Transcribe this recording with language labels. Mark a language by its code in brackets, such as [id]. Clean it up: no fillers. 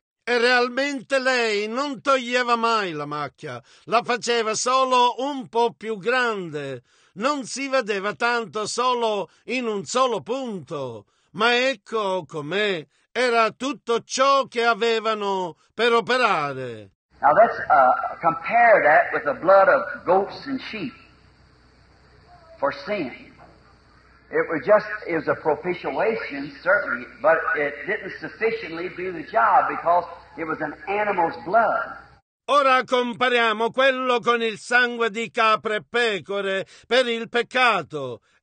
[it] E realmente lei non toglieva mai la macchia, la faceva solo un po' più grande, non si vedeva tanto solo in un solo punto, ma ecco com'è, era tutto ciò che avevano per operare. [en] Now let's compare that with the blood of goats and sheep for sin. It was a propitiation, certainly, but it didn't sufficiently do the job because it was an animal's blood. [it] Ora compariamo quello con il sangue di capre e pecore per il peccato.